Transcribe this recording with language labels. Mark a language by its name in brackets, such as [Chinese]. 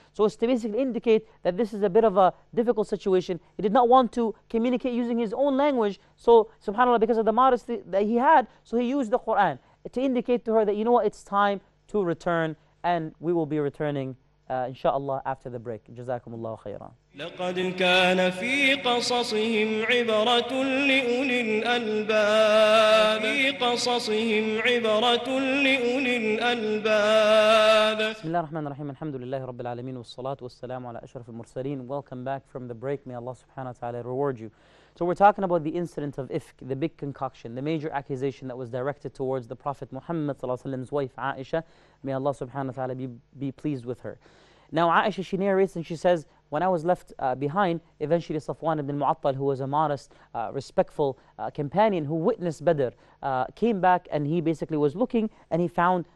[English] So it's to basically indicate that this is a bit of a difficult situation. He did not want to communicate using his own language, so subhanAllah, because of the modesty that he had, so he used the Quran to indicate to her that, you know what, it's time to return, and we will be returning inshallah after the break. [Arabic] Jazakumullahu khairan. لقد كان في قصصهم عبرة لأولي الألباب. في قصصهم عبرة لأولي الألباب. بسم الله الرحمن الرحيم. الحمد لله رب العالمين والصلاة والسلام على أشرف المرسلين. [English] Welcome back from the break. May Allah subhanahu wa ta'ala reward you. So we're talking about the incident of ifk, the big concoction, the major accusation that was directed towards the Prophet Muhammad sallallahu alaihi wasallam's wife Aisha. May Allah subhanahu wa ta'ala be pleased with her. Now Aisha, she narrates and she says, when I was left behind, eventually Safwan ibn Mu'attal, who was a modest, respectful companion who witnessed Badr, came back, and he basically was looking and he found